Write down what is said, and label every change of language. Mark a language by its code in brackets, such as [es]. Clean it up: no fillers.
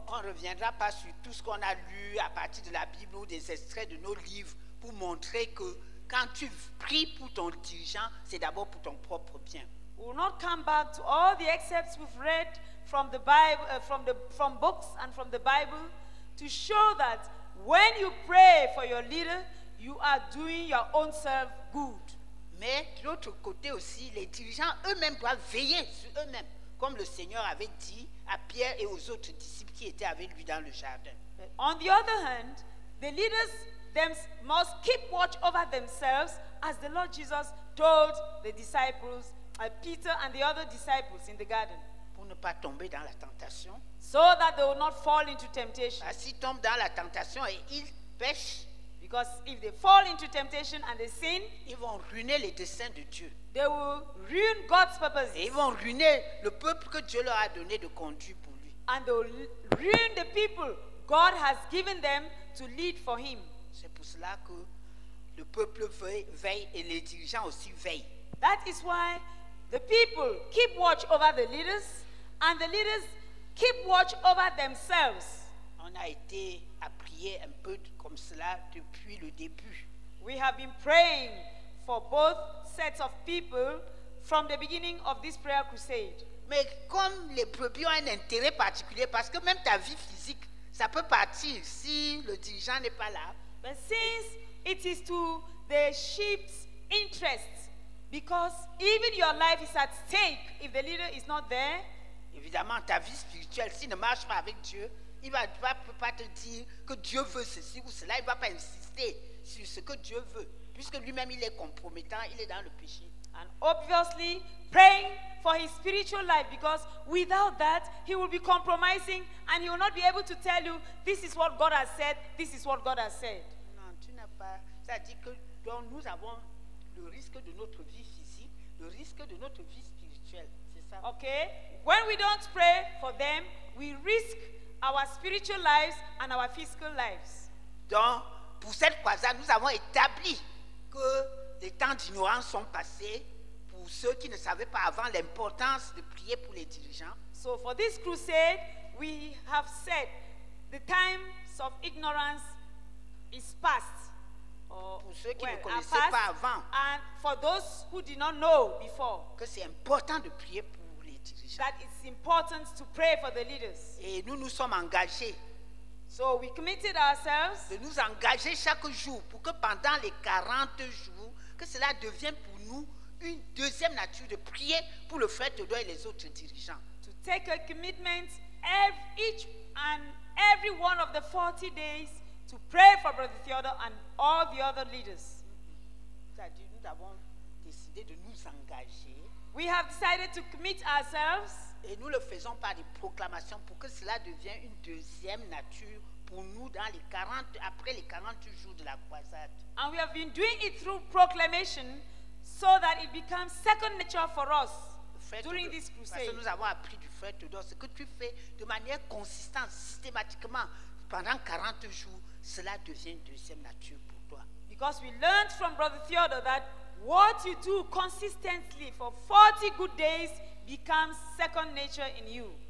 [fr] On ne reviendra pas sur tout ce qu'on a lu à partir de la Bible ou des extraits de nos livres pour montrer que quand tu pries pour ton dirigeant, c'est d'abord pour ton propre bien. [en] We will not come back to all the excerpts we've read from the Bible, from books and from the Bible, to show that when you pray for your leader, you are doing your own self good. [fr] Mais de l'autre côté aussi, les dirigeants eux-mêmes doivent veiller sur eux-mêmes, comme le Seigneur avait dit à Pierre et aux autres disciples qui étaient avec lui dans le jardin. [en] On the other hand, the leaders must keep watch over themselves, as the Lord Jesus told the disciples. Peter and the other disciples in the garden. [fr] Pour ne pas tomber dans la tentation. [en] So that they will not fall into temptation. [fr] Bah, s'ils tombent dans la tentation et ils pêchent, [en] because if they fall into temptation and they sin, [fr] ils vont ruiner les desseins de Dieu. [en] They will ruin God's purposes. [fr] Et ils vont ruiner le peuple que Dieu leur a donné de conduire pour lui. [en] And they will ruin the people God has given them to lead for him. [fr] C'est pour cela que le peuple veille et les dirigeants aussi veillent. [en] That is why the people keep watch over the leaders and the leaders keep watch over themselves. [fr] On a été à prier un peu comme cela depuis le début. [en] We have been praying for both sets of people from the beginning of this prayer crusade. [fr] Mais comme les brebis ont un intérêt particulier, parce que même ta vie physique, ça peut partir si le dirigeant n'est pas là. [en] But since it is to the sheep's interests, because even your life is at stake if the leader is not there. [fr] Évidemment, ta vie spirituelle, s'il ne marche pas avec Dieu, Il ne peut pas te dire que Dieu veut ceci ou cela. Il ne va pas insister sur ce que Dieu veut. Puisque lui-même, il est compromettant, il est dans le péché. [en] And obviously, praying for his spiritual life, because without that, he will be compromising and he will not be able to tell you, this is what God has said, this is what God has said. [fr] Non, tu n'as pas. C'est-à-dire que donc, nous avons le risque de notre vie physique, le risque de notre vie spirituelle. C'est ça. [en] Okay? When we don't pray for them, we risk our spiritual lives and our physical lives. [fr] Donc, pour cette croisade, nous avons établi que les temps d'ignorance sont passés pour ceux qui ne savaient pas avant l'importance de prier pour les dirigeants. [en] So for this crusade, we have said the times of ignorance is past. [fr] Pour ceux qui ne connaissaient pas avant. [en] And for those who did not know before. [fr] Que c'est important de prier pour les dirigeants. [en] That it's important to pray for the leaders. [fr] Et nous nous sommes engagés. [en] So we committed ourselves. [fr] De nous engager chaque jour pour que pendant les 40 jours, que cela devienne pour nous une deuxième nature de prier pour le frère Todo et les autres dirigeants. [en] To take a commitment each and every one of the 40 days to pray for Brother Theodore and all the other leaders. [fr] C'est-à-dire, nous avons décidé de nous engager. [en] We have decided to commit ourselves. [fr] Et nous le faisons par des proclamations pour que cela devienne une deuxième nature pour nous dans les 40, après les 40 jours de la croisade. [en] And we have been doing it through proclamation so that it becomes second nature for us during this crusade. [fr] Parce que nous avons appris du frère Todor, ce que tu fais de manière consistante, systématiquement, pendant 40 jours, cela devient une deuxième nature pour toi. [en] Because we learned from Brother Theodore that what you do consistently for 40 good days becomes second nature in you.